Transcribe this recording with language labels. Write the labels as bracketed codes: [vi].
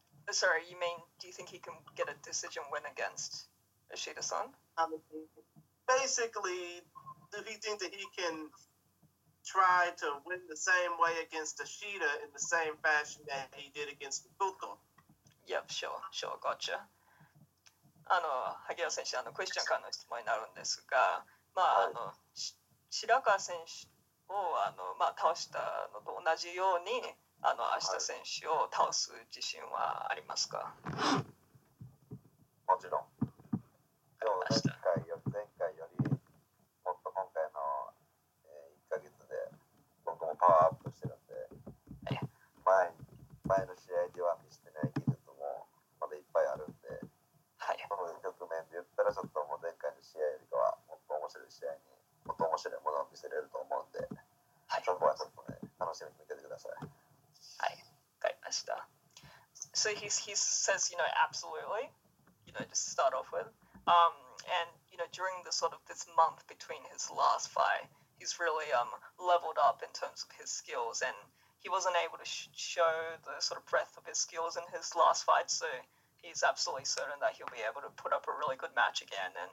[en] Sorry, you mean, do you think he can get a decision win against Ishida-san? Basically, do he think that he can try to win the same way against Ishida in the same fashion that he did against Makoto? Yep, sure, gotcha. [ja] あの萩原選手あのクエスチョンからの質問になるんですが、まあ、あの白川選手をあの、まあ、倒したのと同じようにあの明日選手を倒す自信はありますか？もちろん前回よりもっと今回の、1ヶ月で僕もパワーアップしてるんで、はい、前の試合では見せてない技術もまだいっぱいあるんで、はい、この局面で言ったらちょっともう前回の試合よりかはもっと面白い試合にもっと面白いものを見せれると思うんで、はい、そこはちょっとね楽しみに見ててください。はい、分かりました。 [en] So he says, you know, absolutely, you know, just start off with and you know, during the sort of this month between his last fight, he's really leveled up in terms of his skills, and he wasn't able to show the sort of breadth of his skills in his last fight, soHe's absolutely certain that he'll be able to put up a really good match again.